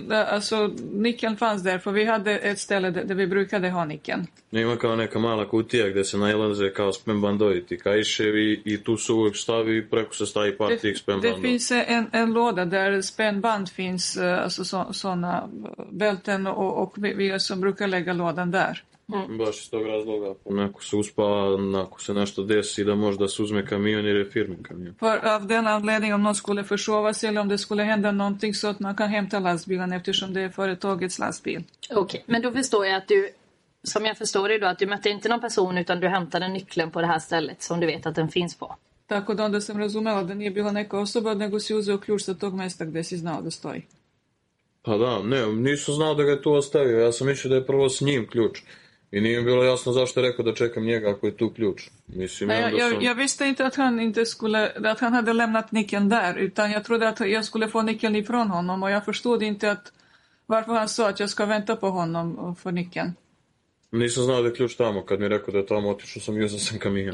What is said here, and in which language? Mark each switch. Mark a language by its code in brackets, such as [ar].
[sv] Alltså nyckeln fanns där, för vi hade ett ställe där vi brukade ha nyckeln. [sr] Ni har kao neka mala kutija gde se nalaze kao spembandoviti kajševi i tu se uvek stavi i preko se stavi par tih spembandov. [sv] Det finns en låda där spemband finns, alltså såna bälten och vi som brukar lägga lådan där. [sr] Mm. Baš iz tog razloga, ako se uspava, ako se nešto desi, da možda se uzme kamion ili firmin kamion. [sv] For, av den anledning, om någon skulle försovas eller om det skulle hända någonting så att man kan hämta lastbilen eftersom det är företagets lastbil. Okej, okay. Men då förstår jag att du, som jag förstår dig då, att du mötte inte någon person utan du hämtade nyckeln på det här stället som du vet att den finns på. [sr] Tako da onda sam razumela da nije bila neka osoba, nego si uzeo ključ sa tog mesta gde si znao da stoji. Pa da, ne, nisam znao da ga je tu ostavio, ja sam mislio da je prvo s njim ključ. I nije bilo jasno zašto je rekao da čekam njega ako je tu ključ. Mislim, [sv] ja visste inte att han inte skulle, att han hade lämnat nyckeln där, utan jag trodde att jag skulle få nyckeln ifrån honom och jag förstod inte att varför han sa att jag ska vänta på honom och få nyckeln. [sr] Nisam znao da je ključ tamo, kad mi rekao da je tamo otišao sam i uzao sam kamion.